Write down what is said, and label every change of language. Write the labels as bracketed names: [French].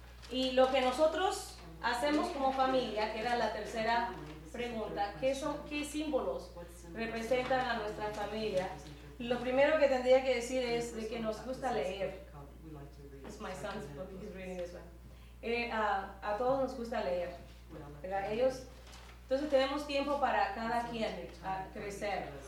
[Spanish] Y lo que nosotros hacemos como familia, que era la tercera pregunta, ¿qué símbolos representan a nuestra familia? Lo primero que tendría que decir es de que nos gusta leer. [English] It's my son's book, he's reading this one. [Spanish] A todos nos gusta leer, ¿verdad? Entonces tenemos tiempo para cada quien a crecer.